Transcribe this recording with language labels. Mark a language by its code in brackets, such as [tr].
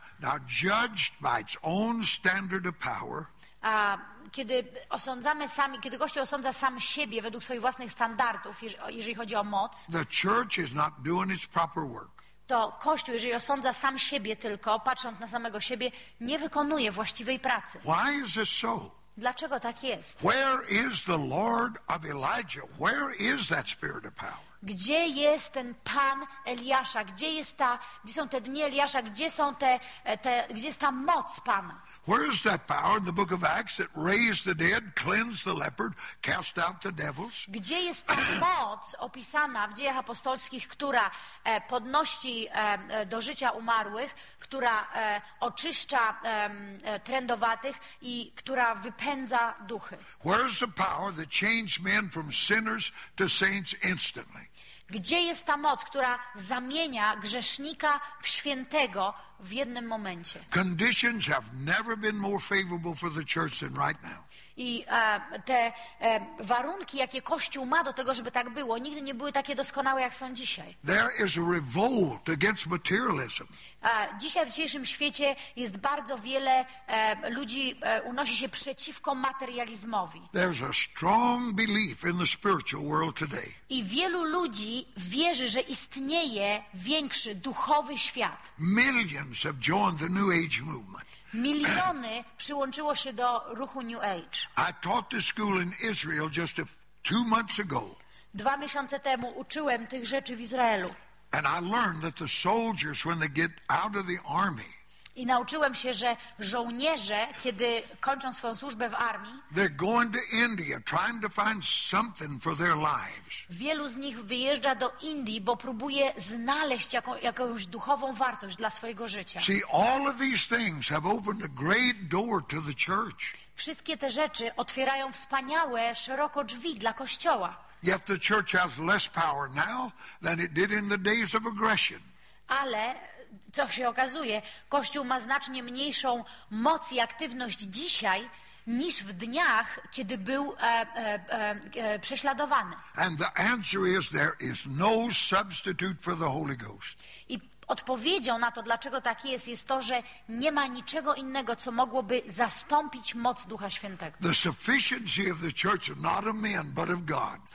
[en] Now judged by its own standard of power. [pl] A kiedy osądzamy sami, kiedy Kościół osądza sam siebie według swoich własnych standardów, jeżeli chodzi o moc, [en] the church is not doing its proper work. [pl] To Kościół, jeżeli osądza sam siebie tylko, patrząc na samego siebie, nie wykonuje właściwej pracy. [en] Why is this so? [pl] Dlaczego tak jest? [en] Where is the Lord of Elijah? Where is that spirit of power? [pl] Gdzie jest ten Pan Eliasza? Gdzie jest ta, gdzie są te dni Eliasza? Gdzie są te gdzie jest ta moc Pana? [en] Where is that power in the book of Acts that raised the dead, cleansed the leper, cast out the devils? [pl] Gdzie jest ta moc opisana w Dziejach Apostolskich, która podnosi do życia umarłych, która oczyszcza trędowatych i która wypędza duchy? [en] Where is the power that changed men from sinners to saints instantly? [pl] Gdzie jest ta moc, która zamienia grzesznika w świętego w jednym momencie? [en] Conditions have never been more favorable for the church than right now. [pl] I te warunki, jakie Kościół ma do tego, żeby tak było, nigdy nie były takie doskonałe, jak są dzisiaj. [en] There is a revolt against materialism. [pl] Dzisiaj w dzisiejszym świecie jest bardzo wiele ludzi unosi się przeciwko materializmowi. [en] There's a strong belief in the spiritual world today. [pl] I wielu ludzi wierzy, że istnieje większy duchowy świat. [en] Millions have joined the New Age movement. [pl] Miliony przyłączyło się do ruchu New Age. [en] I taught this school in Israel just two months ago. [pl] 2 miesiące temu uczyłem tych rzeczy w Izraelu. [en] And I learned that the soldiers, when they get out of the army, [pl] i nauczyłem się, że żołnierze, kiedy kończą swoją służbę w armii, [en] they're going to India trying to find something for their lives. [pl] Wielu z nich wyjeżdża do Indii, bo próbuje znaleźć jakąś duchową wartość dla swojego życia. [en] See, all of these things have opened a great door to the church. [pl] Wszystkie te rzeczy otwierają wspaniałe, szeroko drzwi dla Kościoła. [en] Yet the church has less power now than it did in the days of aggression. [pl] Ale co się okazuje, Kościół ma znacznie mniejszą moc i aktywność dzisiaj niż w dniach, kiedy był prześladowany. [en] And the answer is, there is no substitute for the Holy Ghost. [pl] I odpowiedzią na to, dlaczego tak jest, jest to, że nie ma niczego innego, co mogłoby zastąpić moc Ducha Świętego. [en] The sufficiency of the church is not of men, but of God.